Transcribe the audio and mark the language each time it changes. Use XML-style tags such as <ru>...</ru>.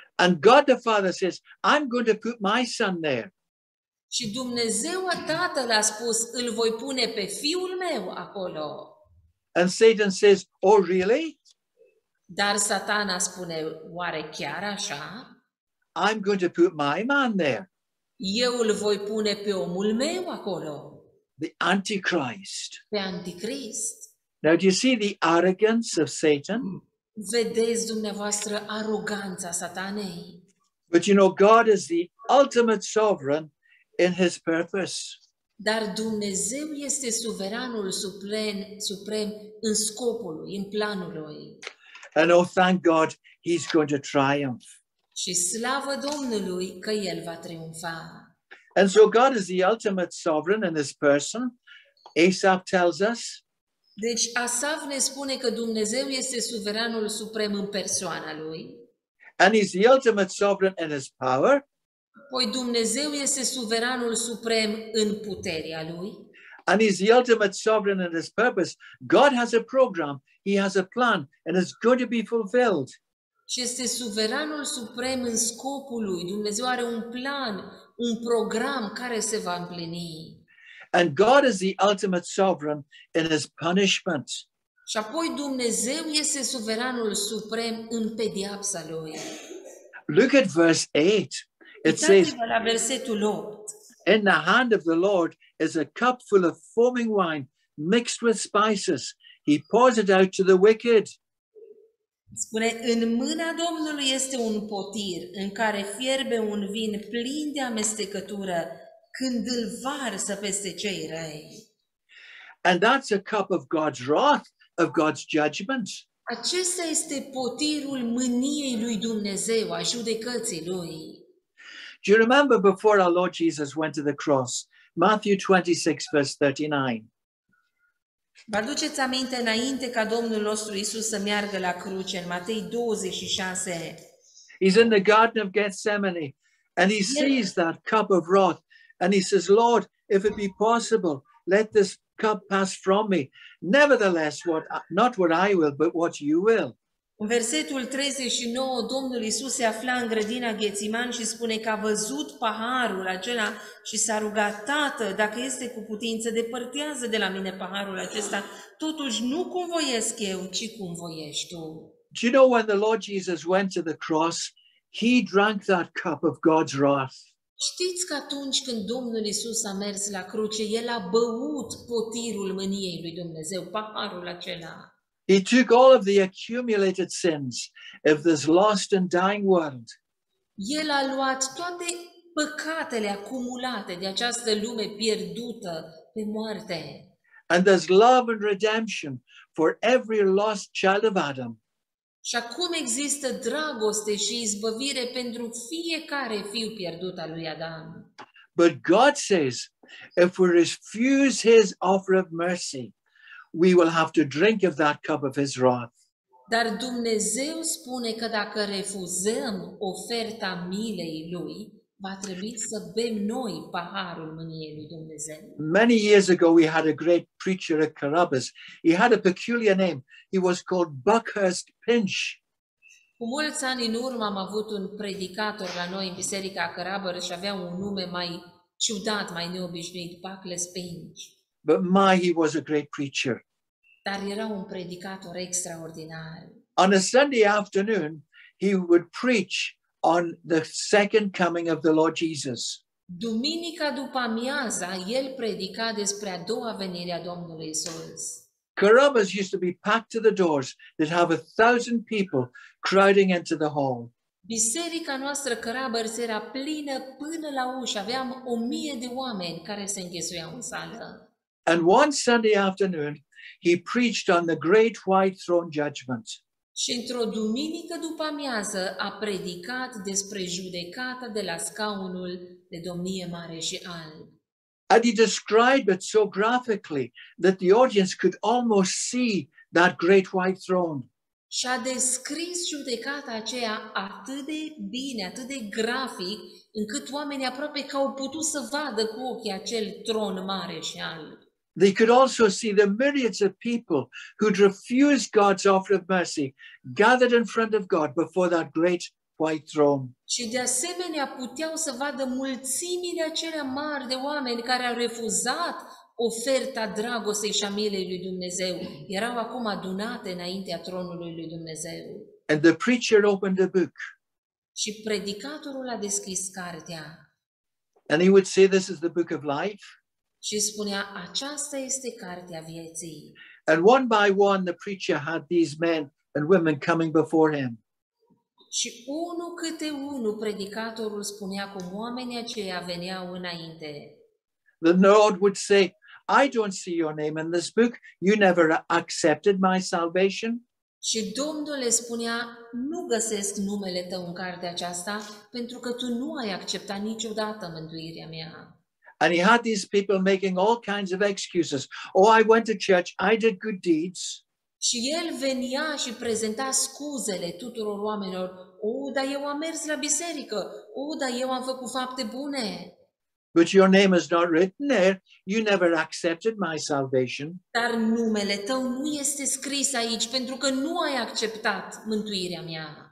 <en>And God the Father says, I'm going to put my son there.</en> <ro>Și Dumnezeu Tatăl a spus, îl voi pune pe fiul meu acolo.</ro> <en>And Satan says, oh really?</en> <ro>Dar Satana spune, oare chiar așa?</ro> <en>I'm going to put my man there.</en> <ro>Eu îl voi pune pe omul meu acolo.</ro> <en>The Antichrist.</en> <ro>Pe Antichrist.</ro> <en>Now do you see the arrogance of Satan?</en> <ro>Vedeți dumneavoastră aroganța Satanei?</ro> <en>But you know, God is the ultimate sovereign in his purpose.</en> <ro>Dar Dumnezeu este suveranul suprem în scopul lui, în planul lui.</ro> <en>And oh, thank God, he's going to triumph.</en> <ro>Și slavă Domnului că el va triumfa.</ro> <en>And so God is the ultimate sovereign in his person. Asaf tells us.</en> <ro>Deci Asaf ne spune că Dumnezeu este suveranul suprem în persoana lui.</ro> <en>And he's the ultimate sovereign in his power.</en> <ro>Păi Dumnezeu este suveranul suprem în puterea lui.</ro> <en>And he's the ultimate sovereign in his purpose. God has a program. He has a plan and it's going to be fulfilled.</en> <ro>Și este suveranul suprem în scopul lui. Dumnezeu are un plan, un program care se va împlini.</ro> <en>And God is the ultimate sovereign in his punishment.</en> <ro>Și apoi Dumnezeu este suveranul suprem în pedeapsa lui.</ro> <en>Look at verse 8. It says,</en> <ro>la versetul 8.</ro> <en>In the hand of the Lord is a cup full of foaming wine mixed with spices. He pours it out to the wicked.</en> <ro>Spune, în mâna Domnului este un potir în care fierbe un vin plin de amestecătură când îl varsă peste cei răi.</ro> <en>And that's a cup of God's wrath, of God's judgment.</en> <ro>Acesta este potirul mâniei lui Dumnezeu, a judecății lui.</ro> <en>Do you remember before our Lord Jesus went to the cross? Matthew 26, verse 39.</en> <ro>Vă aduceți aminte înainte ca Domnul nostru Isus să meargă la cruce în Matei 26.</ro> <en>He's in the garden of Gethsemane and he sees that cup of wrath and he says, Lord, if it be possible, let this cup pass from me. Nevertheless, not what I will, but what you will.</en> <ro>În versetul 39, Domnul Isus se afla în grădina Ghețiman și spune că a văzut paharul acela și s-a rugat, Tată, dacă este cu putință, depărtează de la mine paharul acesta. Totuși, nu cum voiesc eu, ci cum voiești tu.</ro> <en>Do you know when the Lord Jesus went to the cross, he drank that cup of God's wrath.</en> <ro>Știți că atunci când Domnul Isus a mers la cruce, el a băut potirul mâniei lui Dumnezeu, paharul acela.</ro> <en>He took all of the accumulated sins of this lost and dying world.</en> <ro>El a luat toate păcatele acumulate de această lume pierdută pe moarte.</ro> <en>And there's love and redemption for every lost child of Adam.</en> <ro>Și acum există dragoste și izbăvire pentru fiecare fiu pierdut al lui Adam.</ro> <en>But God says, if we refuse his offer of mercy, we will have to drink of that cup of his wrath.</en> <ro>Dar Dumnezeu spune că dacă refuzăm oferta milei lui, va trebui să bem noi paharul mâniei lui Dumnezeu.</ro> <en>Many years ago we had a great preacher at Carabas. He had a peculiar name. He was called Buckhurst Pinch.</en> <ro>Cu mulți ani în urmă am avut un predicator la noi în biserica Carabas și avea un nume mai ciudat, mai neobișnuit, Buckhurst Pinch.</ro> <en>But my, he was a great preacher.</en> <ro>Dar era un predicator extraordinar.</ro> <en>On a Sunday afternoon, he would preach on the second coming of the Lord Jesus.</en> <ro>Duminica după amiaza, el predica despre a doua venire a Domnului Isus.</ro> <en>Carabas used to be packed to the doors. They'd have 1,000 people crowding into the hall.</en> <ro>Biserica noastră Carabas era plină până la ușă. Aveam 1,000 de oameni care se înghesuiau în sală.</ro> <en>And one Sunday afternoon, he preached on the great white throne judgment.</en> <ro>Și într-o duminică după amiază a predicat despre judecata de la scaunul de domnie mare și alb.</ro> <en>And he described it so graphically that the audience could almost see that great white throne.</en> <ro>Și a descris judecata aceea atât de bine, atât de grafic, încât oamenii aproape că au putut să vadă cu ochii acel tron mare și alb.</ro> <en>They could also see the myriads of people who'd refused God's offer of mercy gathered in front of God before that great white throne.</en> <ro>Și de asemenea puteau să vadă mulțimile acelea mari de oameni care au refuzat oferta dragostei și a milei lui Dumnezeu. Erau acum adunate înaintea tronului lui Dumnezeu.</ro> <en>And the preacher opened the book.</en> <ro>Și predicatorul a deschis cartea.</ro> <en>And he would say, this is the book of life.</en> <ro>Și spunea, aceasta este cartea vieții.</ro> <en>And one by one the preacher had these men and women coming before him.</en> <ro>Și unul câte unul predicatorul spunea cum oamenii aceia veneau înainte.</ro> <en>The Lord would say, I don't see your name in this book. You never accepted my salvation.</en> <ro>Și Domnul le spunea, nu găsesc numele tău în cartea aceasta, pentru că tu nu ai acceptat niciodată mântuirea mea.</ro> <en>And he had these people making all kinds of excuses. Oh, I went to church, I did good deeds.</en> <ro>Și el venea și prezenta scuzele tuturor oamenilor. Oh, dar eu am mers la biserică. Oh, dar eu am făcut fapte bune.</ro> <en>But your name is not written there. You never accepted my salvation.</en> <ro>Dar numele tău nu este scris aici pentru că nu ai acceptat mântuirea mea.</ro>